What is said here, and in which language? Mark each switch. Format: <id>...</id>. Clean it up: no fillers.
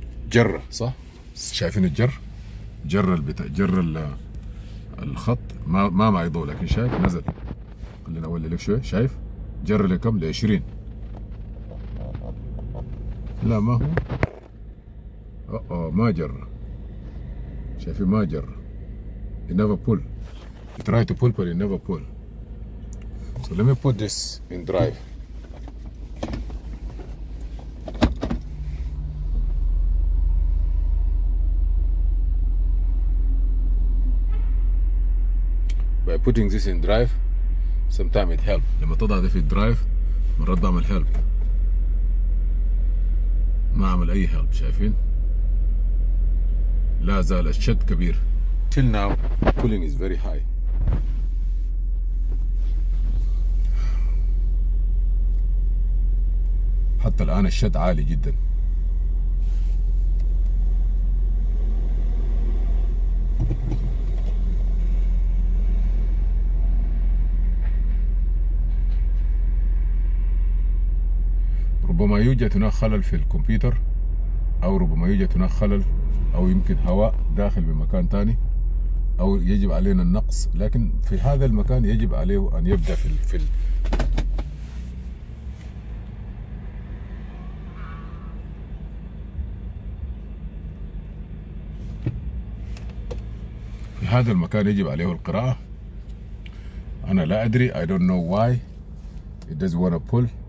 <ar>جره صح, شايفين الجر, جر البتاع, جر الخط, ما يضوء لكن شايف نزل. خلينا اولي لك شويه, شايف جر لكم ل 20؟ لا ما هو ما جر, شايفين ما جر.</ar> <en>It never pull, it try to pull but it never pull. So let me put this in drive. By putting this in drive, sometimes it help.</en> <ar>لما تضع ده في الدرايف مرات بعمل help, ما عمل أي help, شايفين؟ لا زال الشد كبير.</ar> <en>Till now, pulling is very high.</en> <ar>حتى الآن الشد عالي جدا. ربما يوجد هناك خلل في الكمبيوتر, أو ربما يوجد هناك خلل, أو يمكن هواء داخل بمكان تاني, أو يجب علينا النقص, لكن في هذا المكان يجب عليه أن يبدأ في الفيلم. في هذا المكان يجب عليه القراءة. أنا لا أدري,</ar> <en>I don't know why it doesn't want to pull.</en>